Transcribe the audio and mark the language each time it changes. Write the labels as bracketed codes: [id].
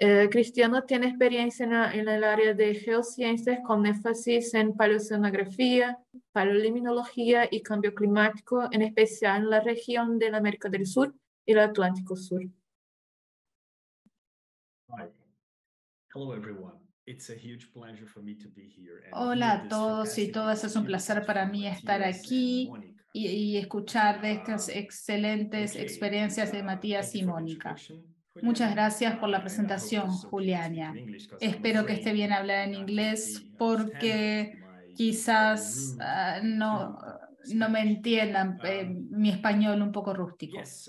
[es] Cristiano tiene experiencia en el área de geociencias con énfasis en paleoceanografía, paleoliminología y cambio climático, en especial en la región de la América del Sur y el Atlántico Sur. [en] Hello everyone. It's a huge pleasure for me to be here. [es] Hola a todos y todas, es un placer para mí estar aquí y escuchar de estas excelentes experiencias de Matías y Mónica. Muchas gracias por la presentación, Juliana. Espero que esté bien hablar en inglés porque quizás no me entiendan mi español un poco rústico.